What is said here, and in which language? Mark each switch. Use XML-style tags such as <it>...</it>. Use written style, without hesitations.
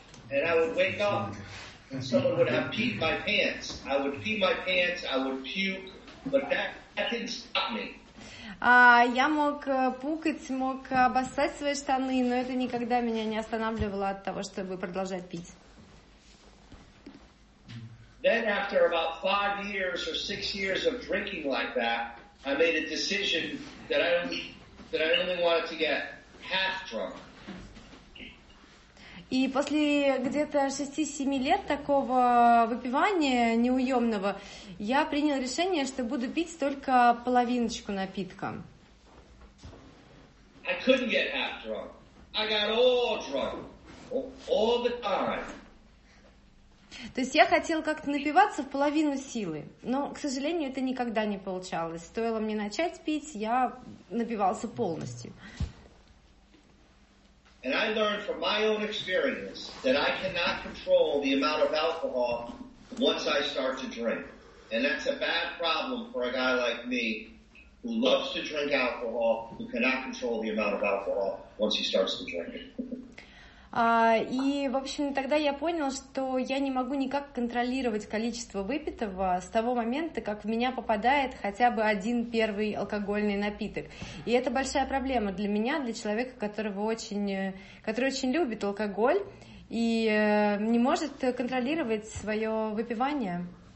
<en>And I would wake up, and someone would have peed my pants. I would pee my pants, I would puke, but that didn't stop me.</en> <ru>Я мог пукать, мог обоссать свои штаны, но это никогда меня не останавливало от того, чтобы продолжать пить.</ru> <en>Then after about 5 years or 6 years of drinking like that, I made a decision that I only wanted to get half drunk.</en> <ru>И после где-то 6-7 лет такого выпивания неуемного, я принял решение, что буду пить только половиночку напитка.</ru> <en>I couldn't get half drunk. I got all drunk. All the time.</en> <ru>То есть я хотел как-то напиваться в половину силы, но, к сожалению, это никогда не получалось. Стоило мне начать пить, я напивался полностью.</ru> <en>And I learned from my own experience that I cannot control the amount of alcohol once I start to drink. And that's a bad problem for a guy like me who loves to drink alcohol, who cannot control the amount of alcohol once he starts to drink.</en> <ru>И, в общем, тогда я понял, что я не могу никак контролировать количество выпитого с того момента, как в меня попадает хотя бы один первый алкогольный напиток. И это большая проблема для меня, для человека, который очень любит алкоголь и не может контролировать свое выпивание.</ru>